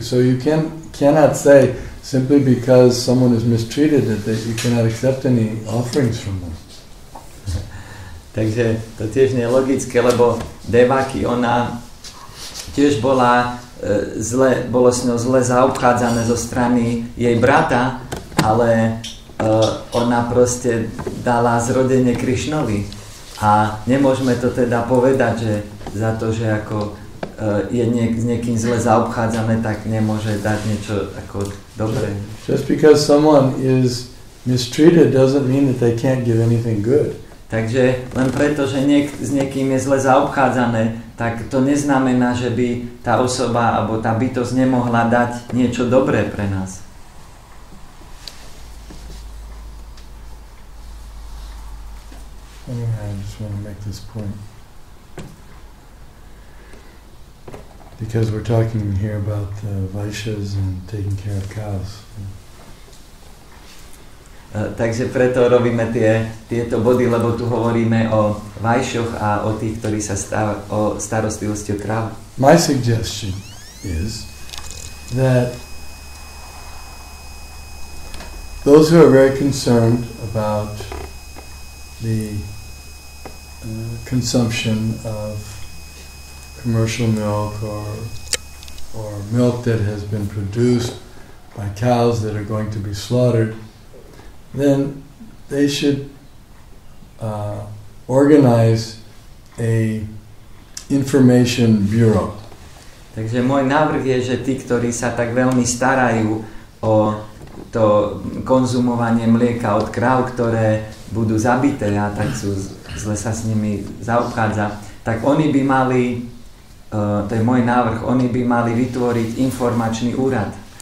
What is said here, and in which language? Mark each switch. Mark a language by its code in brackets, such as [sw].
[en] So you cannot say simply because someone is mistreated that you cannot accept any offerings from them. [sk] Takže to tiež nie je logické, lebo Devaki, ona tiež bola zle, bolo s ňou zle zaobchádzane zo strany jej brata, ale ona proste dala zrodenie Krišnovi. A nemôžeme to teda povedať, že za to, že ako je s niekým zle zaobchádzame, tak nemôže dať niečo ako dobré. [en] Just because someone is mistreated doesn't mean that they can't give anything good. [sk] Takže len preto, že s niekým je zle zaobchádzame, tak to neznamená, že by tá osoba alebo tá bytosť nemohla dať niečo dobré pre nás. [en] Anyway, I just want to make this point. Because we're talking here about Vaishyas and taking care of cows. [sk] Takže preto robíme tieto body, lebo tu hovoríme o Vaishyoch a o tých, ktorí sa o starostlivosti o kráv. [en] My suggestion is that those who are very concerned about the consumption of commercial milk or milk that has been produced by cows that are going to be slaughtered, then they should organize a information bureau. [sk] Takže môj návrh je, že tí, ktorí sa tak veľmi starajú o to konzumovanie mlieka od kráv, ktoré budú zabité a tak sú zle sa s nimi zaobchádza, tak oni by mali, to je môj návrh, oni by mali vytvoriť informačný úrad.